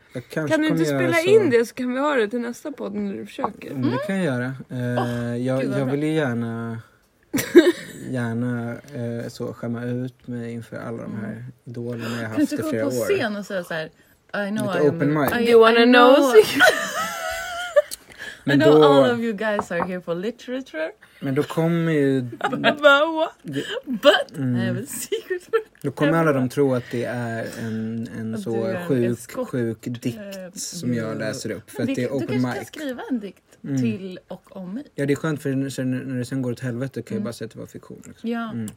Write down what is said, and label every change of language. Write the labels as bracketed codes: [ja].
[sv] Kan du inte spela in det så kan vi ha det till nästa podd när du försöker? Mm. Det kan jag göra. Jag vill ju gärna så skämma ut mig inför alla de här idolerna jag haft i flera år. Kan du inte gå på scen och säga så här, [en] I know [sv] lite open mic. [en] You wanna know a secret? [sv] Men [en] I know då, all of you guys are here for literature. [sv] Men då kommer ju... [en] But I have a secret for [sv] Då kommer alla de tro att det är en så sjuk dikt som jag läser upp. För att det är open mic. Du kanske ska skriva en dikt till och om mig. Ja, det är skönt för när det sen går åt helvete kan jag bara säga att det var fiktion. Liksom. Ja.